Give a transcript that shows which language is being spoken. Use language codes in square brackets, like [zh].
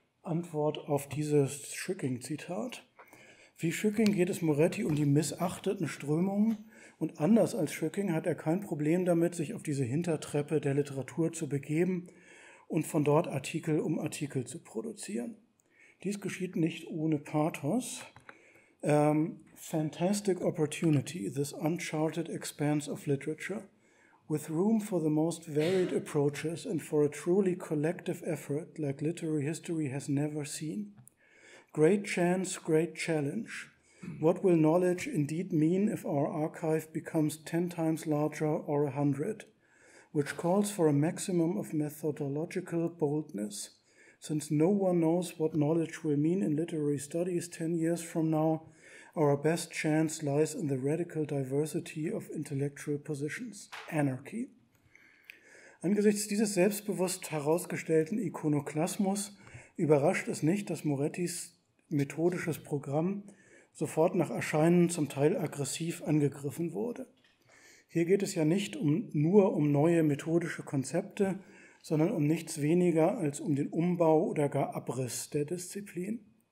[de] Antwort auf dieses Schücking-Zitat. Wie Schücking geht es Moretti um die missachteten Strömungen und anders als Schücking hat er kein Problem damit, sich auf diese Hintertreppe der Literatur zu begeben und von dort Artikel um Artikel zu produzieren. Dies geschieht nicht ohne Pathos. [en] Fantastic opportunity, this uncharted expanse of literature, with room for the most varied approaches and for a truly collective effort like literary history has never seen. Great chance, great challenge. What will knowledge indeed mean if our archive becomes 10 times larger or 100? Which calls for a maximum of methodological boldness. Since no one knows what knowledge will mean in literary studies 10 years from now, our best chance lies in the radical diversity of intellectual positions. Anarchy. [de] Angesichts dieses selbstbewusst herausgestellten Ikonoklasmus überrascht es nicht, dass Morettis methodisches Programm sofort nach Erscheinen zum Teil aggressiv angegriffen wurde. Hier geht es ja nicht nur um neue methodische Konzepte, sondern um nichts weniger als um den Umbau oder gar Abriss der Disziplin.